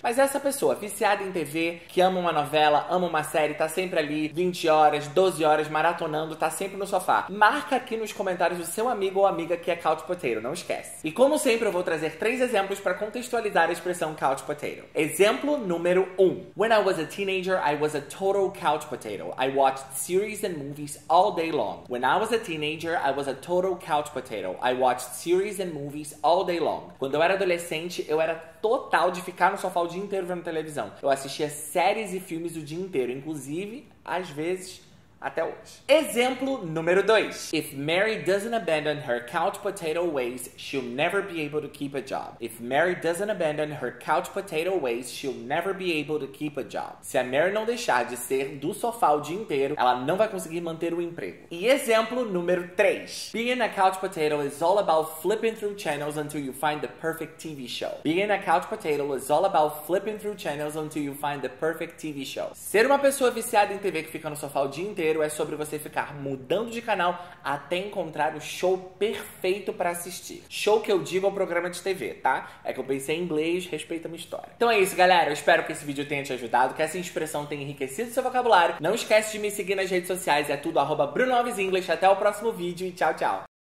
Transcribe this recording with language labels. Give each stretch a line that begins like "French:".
Portuguese: Mas essa pessoa, viciada em TV, que ama uma novela, ama uma série, tá sempre ali 20 horas, 12 horas maratonando, tá sempre no sofá. Marca aqui nos comentários o seu amigo ou amiga que é couch potato, não esquece. E como sempre, eu vou trazer 3 exemplos para contextualizar a expressão couch potato. Exemplo número 1.
English: When I was a teenager, I was a total couch potato. I watched series and movies all day long. When I was a teenager, I was a total couch potato. I watched series and movies all day long.
Portuguese: Quando eu era adolescente, eu era total de ficar no sofá o dia inteiro vendo televisão. Eu assistia séries e filmes o dia inteiro, inclusive, às vezes, até hoje. Exemplo número 2.
English: If Mary doesn't abandon her couch potato ways, she'll never be able to keep a job. If Mary doesn't abandon her couch potato ways, she'll never be able to keep a job.
Portuguese: Se a Mary não deixar de ser do sofá o dia inteiro, ela não vai conseguir manter o emprego. E exemplo número 3.
English: Being a couch potato is all about flipping through channels until you find the perfect TV show. Being a couch potato is all about flipping through channels until you find the perfect TV show.
Portuguese: Ser uma pessoa viciada em TV que fica no sofá o dia inteiro é sobre você ficar mudando de canal até encontrar o show perfeito pra assistir. Show que eu digo é o programa de TV, tá? É que eu pensei em inglês, respeita a minha história. Então é isso, galera. Eu espero que esse vídeo tenha te ajudado, que essa expressão tenha enriquecido seu vocabulário. Não esquece de me seguir nas redes sociais. É tudo @BrunoAlvesEnglish. Até o próximo vídeo e tchau, tchau.